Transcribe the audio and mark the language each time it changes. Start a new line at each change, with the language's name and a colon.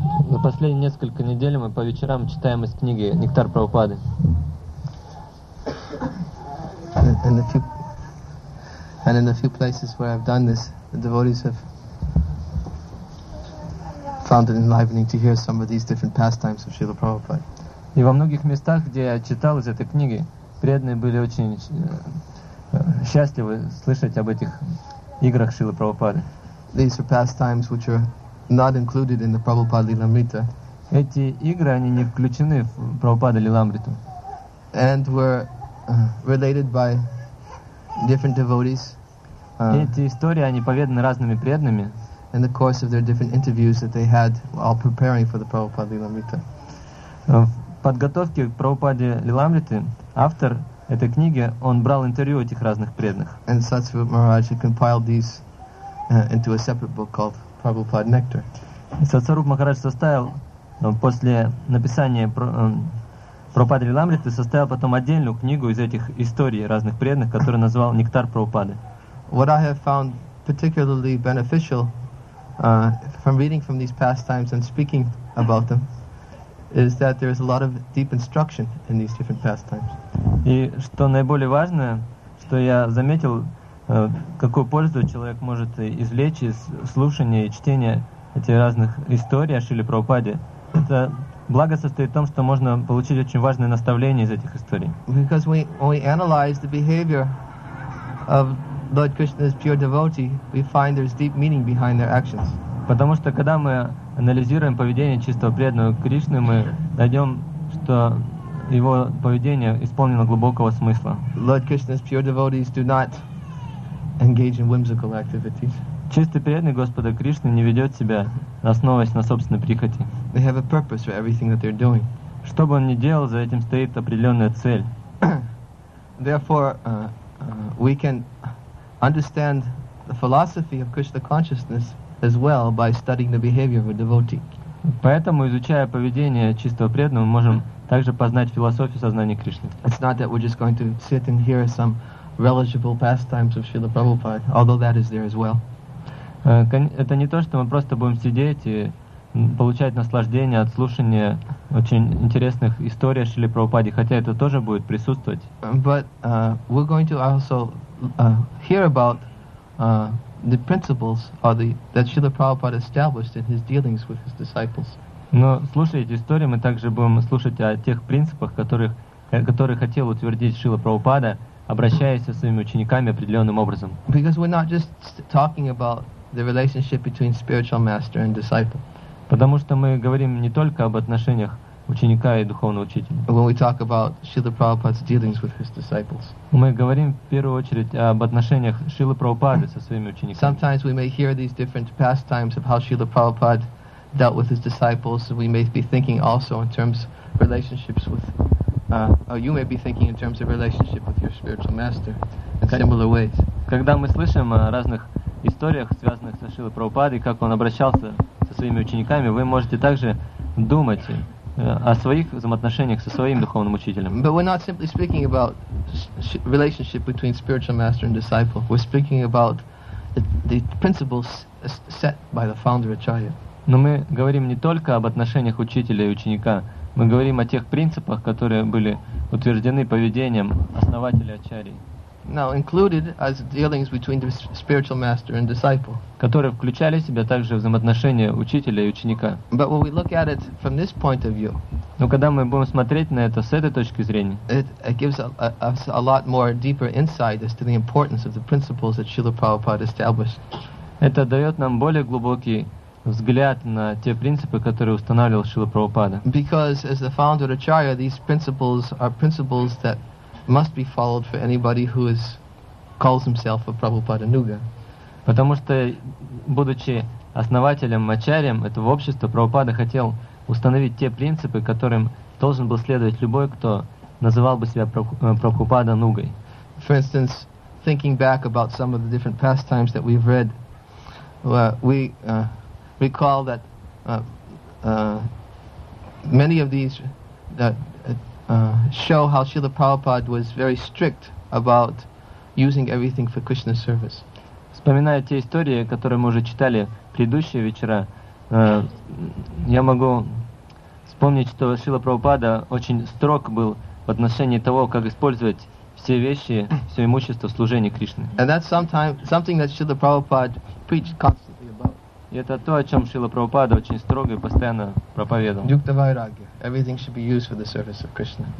Russian: За последние несколько недель мы по вечерам читаем из книги «Нектар Прабхупады».
English: And in a few places where I've done this, the devotees have found it enlivening to hear some of these different pastimes of Srila Prabhupada.
Russian: И во многих местах, где я читал из этой книги, преданные были очень счастливы слышать об этих играх Шрилы Прабхупады.
English: These are pastimes which are not included in the Prabhupada Lilamrita.
Russian: Эти игры, они не включены в Прабхупада Лиламриту.
English: And were related by different devotees.
Russian: Эти истории, они поведаны разными преданными.
English: In the course of their different interviews that they had while preparing for the Prabhupada Lilamrita.
Russian: В подготовке к Прабхупаде Лиламриты автор этой книги, он брал интервью этих разных преданных.
English: And Satsvip Maharaj compiled these into a separate book called Prabhupada Nectar.
Russian: Сатсаруп Махарадж составил после написания Прабхупады Лиламриты составил потом отдельную книгу из этих историй разных преданных, которую назвал «Нектар Прабхупады».
English: What I have found particularly beneficial from reading from these pastimes and speaking about them is that there is a lot of deep instruction in these different pastimes.
Russian: И что наиболее важное, что я заметил, какую пользу человек может извлечь из слушания и чтения этих разных историй о Шриле Прабхупаде, это благо состоит в том, что можно получить очень важное наставление из этих историй.
English: Because when we analyze the behavior of Lord Krishna's pure devotee, we find there's deep meaning behind their actions.
Russian: Потому что когда мы анализируем поведение чистого преданного Кришны, мы найдем, что его поведение исполнено глубокого смысла.
English: Lord Krishna's pure devotees do not engage in whimsical activities.
Russian: Чистый преданный Господа Кришны не ведет себя, основываясь на собственной прихоти.
English: They have a purpose for everything that they're doing.
Russian: Что бы он ни делал, за этим стоит определенная цель.
English: Therefore, we can understand the philosophy of Krishna consciousness as well by studying the behavior of a devotee.
Russian: Поэтому, изучая поведение чистого преданного, мы можем также познать философию сознания Кришны.
English: It's not that we're just going to sit and hear some relishable pastimes of Srila Prabhupada, although that is there as well.
Russian: Это не то, что мы просто будем сидеть и получать наслаждение от слушания очень интересных историй о Шриле Прабхупаде, хотя это тоже будет присутствовать.
English: But we're going to also hear about the principles are that Srila Prabhupada established in his dealings with his disciples.
Russian: Но слушая эти истории, мы также будем слушать о тех принципах, которые хотел утвердить Шрила Прабхупада, обращаясь со своими учениками определенным образом.
English: Because we're not just talking about the relationship between spiritual master and disciple.
Russian: Потому что мы говорим не только об отношениях ученика и духовного учителя.
English: When we talk about Srila Prabhupada's dealings with his disciples.
Russian: Мы говорим в первую очередь об отношениях Шрилы Прабхупады со своими учениками.
English: Sometimes we may hear these different pastimes of how Srila Prabhupada dealt with his disciples. We may be thinking also in terms of relationships with you may be thinking in terms of relationship with your spiritual master in similar ways.
Russian: Когда мы слышим о разных историях, связанных со Шрилой Прабхупадой, как он обращался со своими учениками, вы можете также думать о своих взаимоотношениях со своим духовным учителем.
English: But we're not simply speaking about relationship between spiritual master and disciple. We're speaking about the principles set by the founder Acharya.
Russian: Но мы говорим не только об отношениях учителя и ученика. Мы говорим о тех принципах, которые были утверждены поведением основателя Ачарьи.
English: Now included as dealings between the spiritual master and disciple.
Russian: Которые включали в себя также взаимоотношения учителя и ученика.
English: But when we look at it from this point of view.
Russian: Но когда мы будем смотреть на это с этой точки зрения.
English: It gives us a lot more deeper insight as to the importance of the principles that Srila Prabhupada established.
Russian: Это дает нам более глубокий взгляд на те принципы, которые устанавливал Шрила Прабхупада.
English: Because as the founder of Acharya, these principles are principles that must be followed for anybody who is calls himself a Prabhupada Nuga.
Russian: Потому что, будучи основателем, ачарьем этого общества, Прабхупада хотел установить те принципы, которым должен был следовать любой, кто называл бы себя Прабхупада Нугой.
English: For instance, thinking back about some of the different pastimes that we've read, we recall that many of these that show how Srila Prabhupada was very strict about using everything for Krishna's service.
Russian: Вспоминая те истории, которые мы уже читали в предыдущие вечера, Я могу вспомнить, что Шрила Прабхупада очень строг был в отношении того, как использовать все вещи, все имущество в служении Кришне.
English: And that's something that Srila Prabhupada preached constantly about.
Russian: И это то, о чем Шрила Прабхупада очень строго и постоянно проповедовал.
Sanskrit: Yukta Vairagya.
English: Everything should be used for the service of Krishna.